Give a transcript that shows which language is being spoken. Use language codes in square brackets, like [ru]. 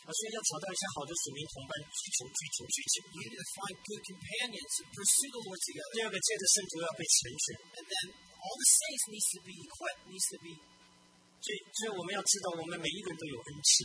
[zh] 所以要找到一些好的属灵同伴去求追求追求。 [en] You need to find good companions and pursue the Lord together. [zh] 第二个，这个圣徒要被成全。 [en] And then all the saints needs to be equipped, needs to be. [zh] 所以我们要知道，我们每一个人都有恩赐。